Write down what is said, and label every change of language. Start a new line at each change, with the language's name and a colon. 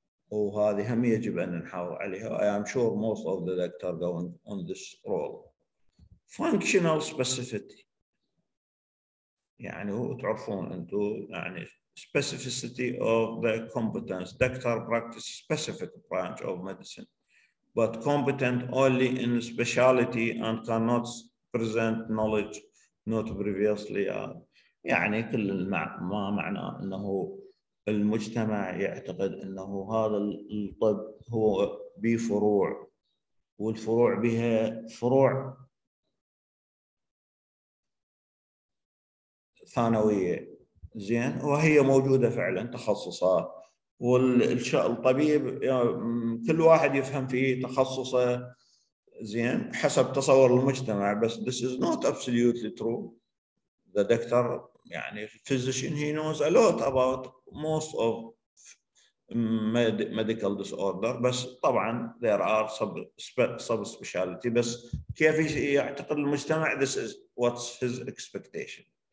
Arabic: وهذه هم يجب ان نحافظ عليها.
English: I am sure most of the doctor going on this role. Functional specificity.
Arabic: يعني تعرفون انتو يعني
English: specificity of the competence. Doctor practice specific branch of medicine, but competent only in specialty and cannot present knowledge not previously.
Arabic: يعني كل ما معناه انه المجتمع يعتقد انه هذا الطب هو بفروع، والفروع بها فروع ثانوية، زين، وهي موجودة فعلا تخصصات. والطبيب يعني كل واحد يفهم في تخصصه زين حسب تصور المجتمع، بس
English: this is not absolutely true. The doctor يعني physician he knows a lot about most of medical disorder،
Arabic: بس طبعا
English: there are sub-speciality.
Arabic: بس كيف يعتقد المجتمع؟
English: this is what's his expectation.